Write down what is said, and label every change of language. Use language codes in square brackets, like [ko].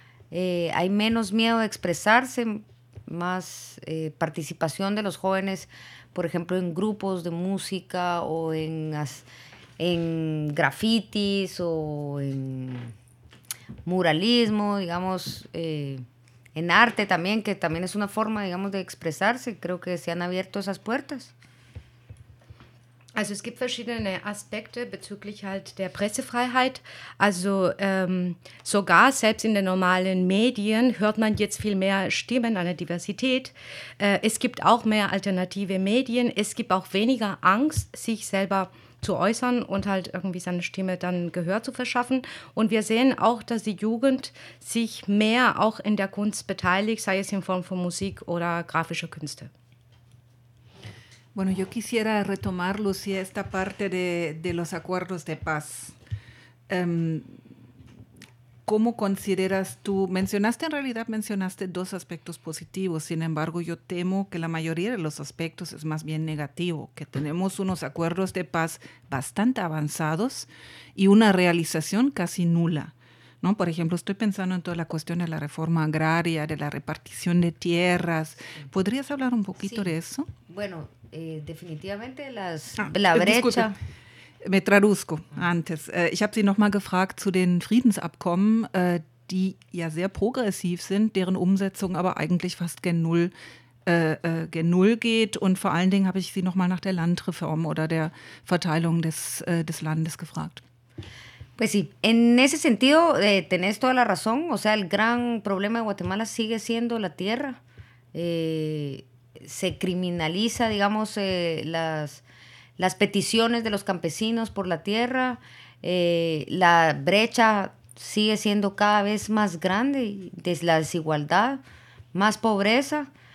[es] hay menos miedo de expresarse, más participación de los jóvenes, por ejemplo, en grupos de música o en grafitis o en muralismo, digamos, en arte también, que también es una forma, digamos, de expresarse. Creo que se han abierto esas puertas. [de] Also es gibt verschiedene Aspekte bezüglich halt der Pressefreiheit. Also sogar selbst in den normalen Medien hört man jetzt viel mehr Stimmen an der Diversität. Es gibt auch mehr alternative Medien. Es gibt auch weniger Angst, sich selber zu äußern und halt irgendwie seine Stimme dann Gehör zu verschaffen. Und wir sehen auch, dass die Jugend sich mehr auch in der Kunst beteiligt, sei es in Form von Musik oder grafischer Künste. [es] Bueno, yo quisiera retomar, Lucía, esta parte de los acuerdos de paz. ¿Cómo consideras tú? Mencionaste dos aspectos positivos. Sin embargo, yo temo que la mayoría de los aspectos es más bien negativo, que tenemos unos acuerdos de paz bastante avanzados y una realización casi nula, ¿no? Por ejemplo, estoy pensando en toda la cuestión de la reforma agraria, de la repartición de tierras. ¿Podrías hablar un poquito de eso? Bueno, definitivamente la brecha. Disculpe, me traduzco antes. [de] Ich habe Sie nochmal gefragt zu den Friedensabkommen, die ja sehr progressiv sind, deren Umsetzung aber eigentlich fast gen Null geht. Und vor allen Dingen habe ich Sie nochmal nach der Landreform oder der Verteilung des Landes gefragt. [es] Pues sí, en ese sentido tenés toda la razón. O sea, el gran problema de Guatemala sigue siendo la tierra. Se criminaliza, digamos, las las peticiones de los campesinos por la tierra, la brecha sigue siendo cada vez más grande, la desigualdad, más pobreza.